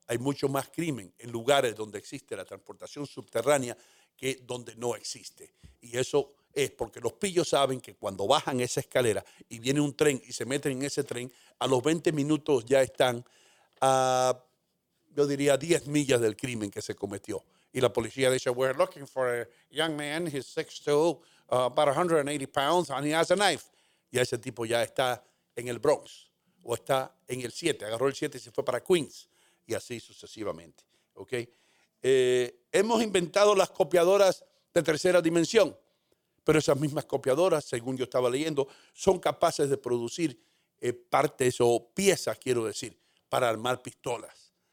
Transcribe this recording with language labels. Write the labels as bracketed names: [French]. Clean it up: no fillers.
[Spanish] Hay mucho más crimen en lugares donde existe la transportación subterránea que donde no existe. Y eso es porque los pillos saben que cuando bajan esa escalera y viene un tren y se meten en ese tren, a los 20 minutos ya están a, yo diría, 10 millas del crimen que se cometió. Y la policía dice, [English] we're looking for a young man, he's 6'2", about 180 pounds, and he has a knife. [Spanish] Y ese tipo ya está en el Bronx, o está en el 7, agarró el 7 y se fue para Queens, y así sucesivamente. ¿Okay? Hemos inventado las copiadoras de tercera dimensión, pero esas mismas copiadoras, según yo estaba leyendo, son capaces de producir partes o piezas, quiero decir, para armar pistolas.